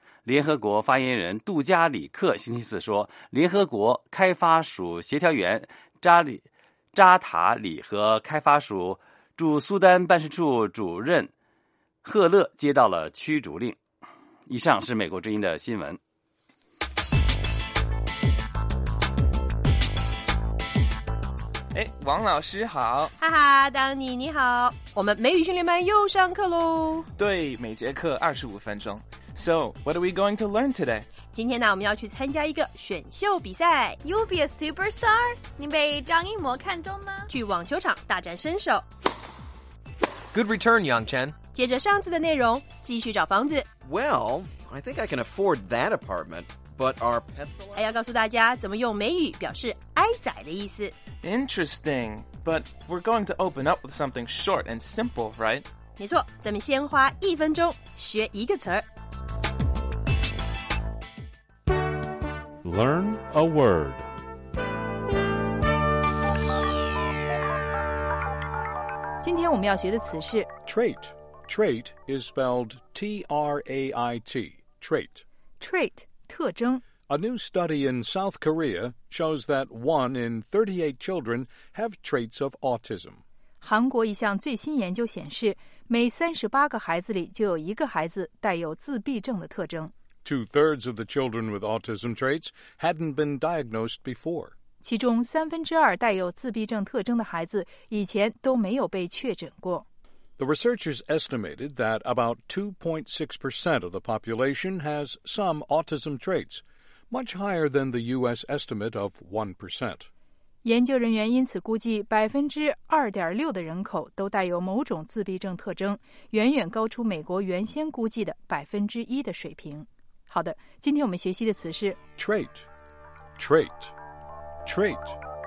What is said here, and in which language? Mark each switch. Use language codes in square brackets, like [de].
[zh] 联合国发言人杜加里克星期四说，联合国开发署协调员扎塔里和开发署驻苏丹办事处主任赫勒接到了驱逐令。以上是美国之音的新闻。哎，王老师好。哈哈，当妮你好，我们美语训练班又上课喽。对，每节课25分钟。 [en] So, what are we going to learn today? [zh] 今天呢，我们要去参加一个选秀比赛。 [en] You'll be a superstar? [zh] 你被张艺谋看中吗？去网球场大展身手。 [en] Good return, Yang Chen. [zh] 接着上次的内容，继续找房子。 [en] Well, I think I can afford that apartment, but our pets... [zh] 还要告诉大家怎么用美语表示哀哉的意思。 [en] Interesting, but we're going to open up with something short and simple, right? [zh] 没错，咱们先花一分钟学一个词儿。 [en] Learn a word. Today we're going to learn the word trait. Trait is spelled T-R-A-I-T. Trait. [zh] Trait, 特征. [en] A new study in South Korea shows that 1 in 38 children have traits of autism. [zh] 韩国一项最新研究显示，每38个孩子里就有一个孩子带有自闭症的特征。 [en] 2/3 of the children with autism traits hadn't been diagnosed before. [zh] 其中2/3带有自闭症特征的孩子以前都没有被确诊过。 [en] The researchers estimated that about 2.6% of the population has some autism traits, much higher than the U.S. estimate of 1%. [zh] 研究人员因此估计 2.6% 的人口都带有某种自闭症特征，远远高出美国原先估计的 1% 的水平。好的，今天我们学习的词是 [en] trait, trait, trait.